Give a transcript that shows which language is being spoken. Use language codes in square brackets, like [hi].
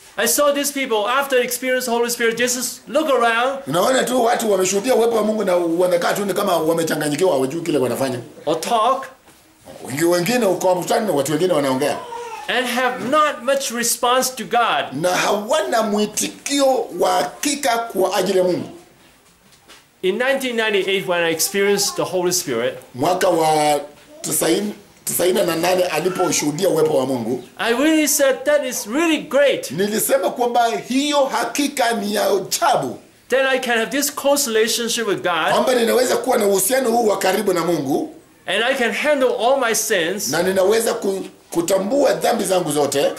[en] I saw these people after experience Holy Spirit Jesus look around. [sw] Unaona tu watu wameshuhudia uwepo wa Mungu na wanakaa tu ni kama wamechanganyikiwa wajui kile wanafanya. [en] Or talk. [sw] Wengine uko mkutano watu wengine wanaongea. [en] And have not much response to God. [sw] Na hawana mwitikio wa hakika kwa ajili ya Mungu. [en] In 1998 when I experienced the Holy Spirit, [sw] mwaka wa 98 aliposhuhudia uwepo wa Mungu, [en] I really said that is really great. [sw] Nilisema kwamba hiyo hakika ni ya ajabu. [en] Then I can have this close relationship with God. [sw] Kwamba ninaweza kuwa na uhusiano huu wa karibu na Mungu. [en] And I can handle all my sins. [sw] Na ninaweza kutambua dhambi zangu zote.